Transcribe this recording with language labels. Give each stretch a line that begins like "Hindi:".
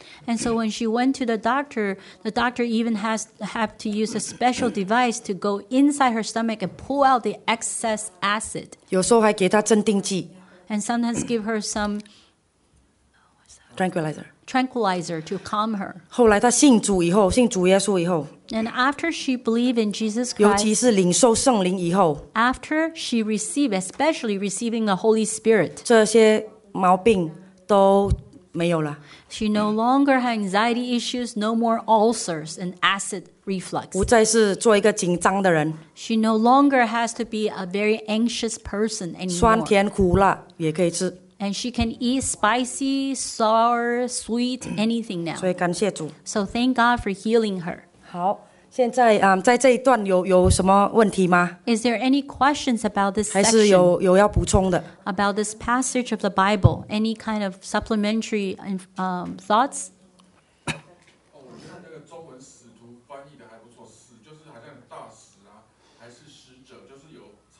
English: And so when she went to the doctor even have to use a special device to go inside her stomach and pull out the excess acid.
Chinese: 有时候还给她镇定剂。
English: And sometimes give her some tranquilizer to calm her.
Chinese: 后来她信主以后，信主耶稣以后。
English: And after she believed in Jesus Christ,
Chinese: 尤其是领受圣灵以后。
English: After she received, especially receiving the Holy Spirit,
Chinese: 这些毛病都没有了。
English: She no longer had anxiety issues, no more ulcers and acid reflux.
Chinese: 不再是做一个紧张的人。
English: She no longer has to be a very anxious person anymore.
Chinese: 酸甜苦辣也可以吃。
English: And she can eat spicy, sour, sweet, anything now.
Chinese: 所以感谢主。
English: So thank God for healing her.
Chinese: 好，现在在这一段有什么问题吗？
English: Is there any questions about this section?
Chinese: 还是有要补充的？
English: About this passage of the Bible, any kind of supplementary thoughts?
Chinese: 我看那个中文使徒翻译的还不错，使就是好像大使啊，还是使者，就是有差派的意思。